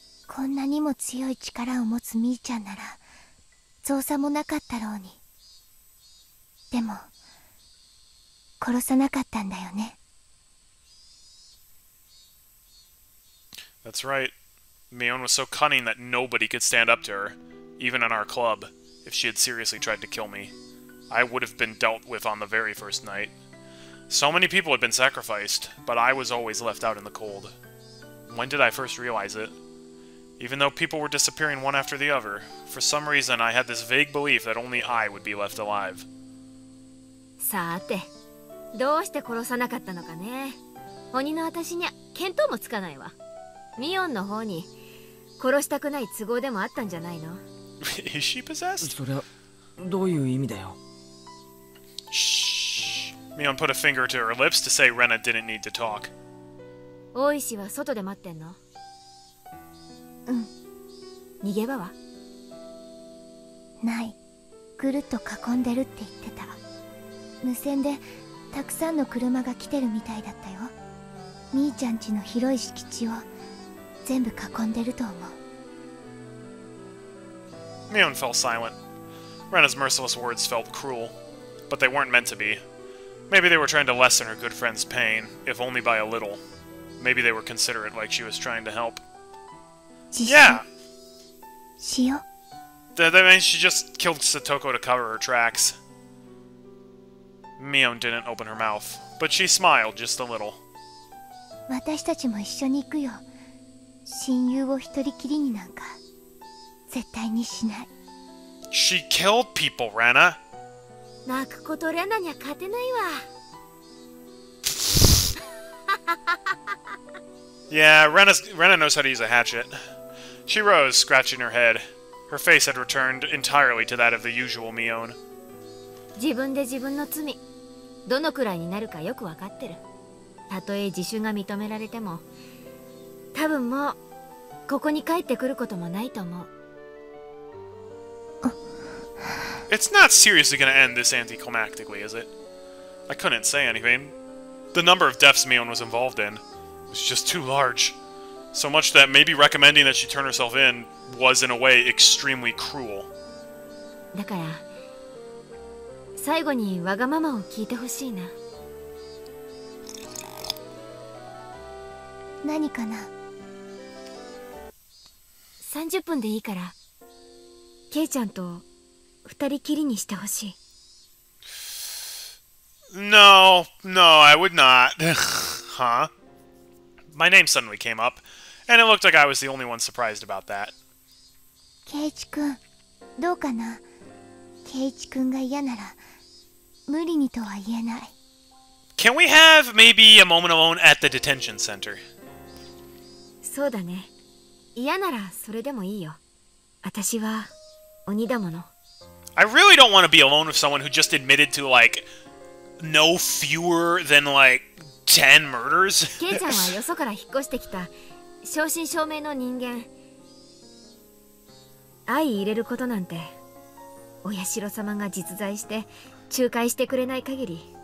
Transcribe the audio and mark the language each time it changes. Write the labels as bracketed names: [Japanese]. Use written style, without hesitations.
[Japanese] こんなにも強い力を持つミーちゃんなら造作もなかったろうに。でも殺さなかったんだよね。 [English] That's right. Mion was so cunning that nobody could stand up to her. Even in our club, if she had seriously tried to kill me, I would have been dealt with on the very first night. So many people had been sacrificed, but I was always left out in the cold. When did I first realize it? Even though people were disappearing one after the other, for some reason I had this vague belief that only I would be left alive. [Japanese] さて、どうして殺さなかったのかね。鬼の私には見当もつかないわ。ミオンの方に殺したくない都合でもあったんじゃないの。 [English] Is she possessed? [Japanese] それはどういう意味だよ。 [English] Shh. Mion put a finger to her lips to say Rena didn't need to talk. [Japanese] 大石は外で待ってんの。うん、逃げ場はない。ぐるっと囲んでるって言ってた。無線でたくさんの車が来てるみたいだったよ。みーちゃん家の広い敷地を全部囲んでると思う。 [English] Mion fell silent. Rena's merciless words felt cruel, but they weren't meant to be. Maybe they were trying to lessen her good friend's pain, if only by a little. Maybe they were considerate, like she was trying to help. Yeah! That means she just killed Satoko to cover her tracks. Mion didn't open her mouth, but she smiled just a little. We'll go together. I won't do it alone. I won't do it alone. She killed people, Rena! I can't win Rena. Ha ha ha ha ha! Yeah, Rena knows how to use a hatchet. She rose, scratching her head. Her face had returned entirely to that of the usual Mion. [Japanese] 自分で自分の罪、どのくらいになるかよくわかってる。たとえ自首が認められても、多分もうここに帰ってくることもないと思う。 [English] It's not seriously going to end this anticlimactically, is it? I couldn't say anything. The number of deaths Mion was involved in... It's just too large. So much that maybe recommending that she turn herself in was, in a way, extremely cruel. [Japanese] だから、最後にわがままを聞いてほしいな。何かな ?30分でいいから、ケイちゃんと二人きりにしてほしい。 [English] No, no, I would not. huh? My name suddenly came up, and it looked like I was the only one surprised about that. [Japanese] Keiichi-kun, どうかな?Keiichi-kun が嫌なら、無理にとは言えない。 [English] Can we have maybe a moment alone at the detention center? [Japanese] そうだね。嫌ならそれでもいいよ。私は鬼だもの。 [English] I really don't want to be alone with someone who just admitted to, like, no fewer than, like,10 murders? [Japanese] ケイちゃんはよそから引っ越してきた正真正銘の人間。愛入れることなんて、お社様が実在して仲介してくれない限り